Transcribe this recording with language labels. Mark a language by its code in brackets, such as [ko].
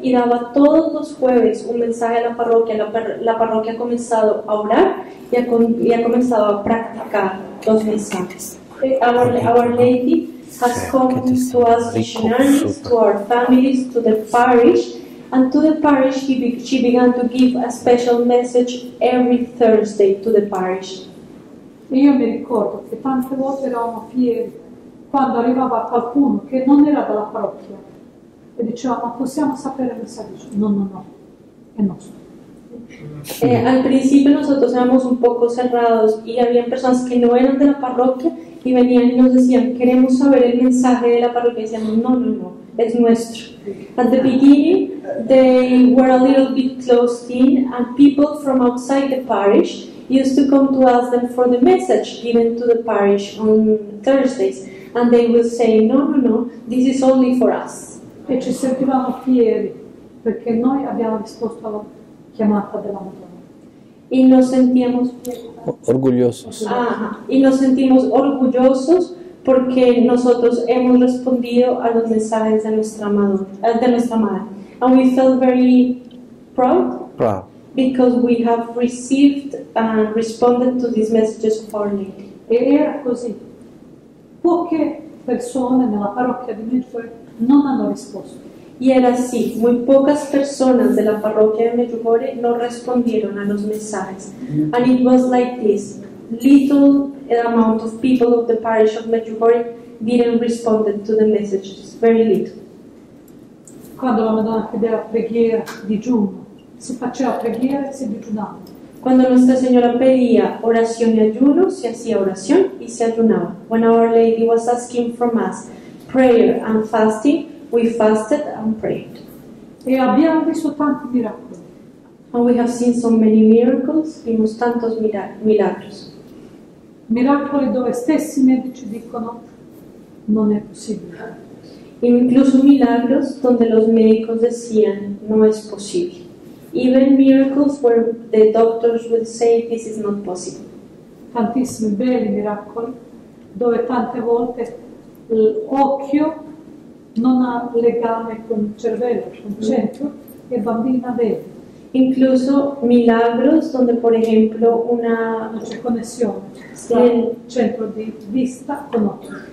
[es] y daba todos los jueves un mensaje a la parroquia. La parroquia ha comenzado a orar y ha comenzado a practicar los mensajes. [en] Our Lady has come to us missionaries, to our families, to the parish, and to the parish she began to give a special message every Thursday to the parish. [it] Io mi ricordo che tante volte eravamo fieri quando arrivava qualcuno che non era dalla parrocchia. E diceva, ma possiamo sapere cosa dice? No, è nostro. [es] Al principio nosotros éramos un poco cerrados y había personas que no eran de la parroquia y venían y nos decían, queremos saber el mensaje de la parroquia, y decíamos, no, es nuestro. [en] At the beginning, they were a little bit closed in, and people from outside the parish used to come to ask them for the message given to the parish on Thursdays, and they would say, no, this is only for us. [it] E ci sentivamo fieri perché noi abbiamo risposto alla chiamata della Madonna. [es] E nos sentíamos orgogliosos. Y nos sentimos orgullosos porque nosotros hemos respondido a los mensajes de nuestra madre. [en] And we felt very proud. Proud. Because we have received and responded to these messages of Our Lady. [it] E era così. Poche persone nella parrocchia di Medjugorje non hanno risposto. [es] Y era así, muy pocas personas de la parroquia de Medjugorje no respondieron a los mensajes. [en] And it was like this, little amount of people of the parish of Medjugorje didn't respond to the messages, very little. [it] Quando la Madonna chiedeva preghiera, digiuno, si faceva preghiera e si digiunava. [es] Cuando Nuestra Señora pedía oración y ayuno, se hacía oración y se ayunaba. [en] When Our Lady was asking from us prayer and fasting, we fasted and prayed. [it] E abbiamo visto tanti miracoli. [en] And we have seen so many miracles, [es] vimos tantos milagros. [it] Miracoli dove stessi medici dicono non è possibile. [es] Incluso milagros donde los médicos decían no es posible. [en] Even miracles where the doctors would say this is not possible. [it] Tantissimi belli miracoli dove tante volte l'occhio non ha legame con il cervello, con il centro, e bambina vede. [es] Incluso milagros donde por ejemplo una [it] non c'è connessione tra il centro di vista con occhio.